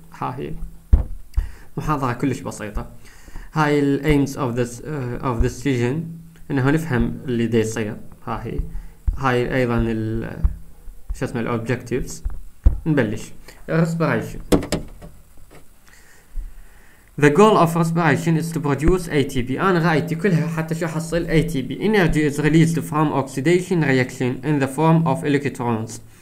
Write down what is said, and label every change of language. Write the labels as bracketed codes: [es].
[ar] ها هي محاضره كلش بسيطه، هاي [en] الايمز of this of this session, [ar] انه نفهم اللي دا يصير. هاي ايضا شو اسمه الاوبجكتيفز. نبلش respiration. [en] The goal of respiration is to produce ATP. [ar] انا غايتي كلها حتى شو احصل ATP. [en] Energy is released from oxidation reaction in the form of electrons.